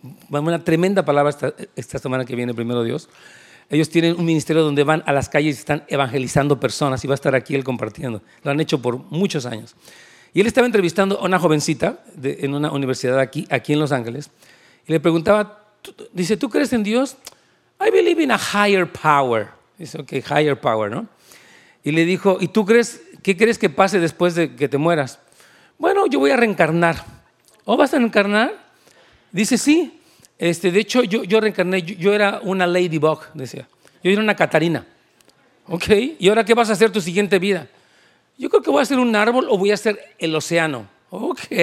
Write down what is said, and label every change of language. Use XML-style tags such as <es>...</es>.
<es>Una tremenda palabra esta semana que viene, primero Dios. Ellos tienen un ministerio donde van a las calles y están evangelizando personas y va a estar aquí él compartiendo. Lo han hecho por muchos años. Y él estaba entrevistando a una jovencita en una universidad aquí en Los Ángeles y le preguntaba, dice, ¿tú crees en Dios?</es> <en>I believe in a higher power.</en> <es>Dice, ok,</es> <en>higher power,</en> <es>¿no? Y le dijo, ¿y tú crees, qué crees que pase después de que te mueras? Bueno, yo voy a reencarnar. ¿O vas a reencarnar? Dice, sí. De hecho, yo reencarné, yo era una ladybug, decía. Yo era una Catarina. Ok, ¿y ahora qué vas a hacer tu siguiente vida? Yo creo que voy a ser un árbol o voy a ser el océano. Ok.</es>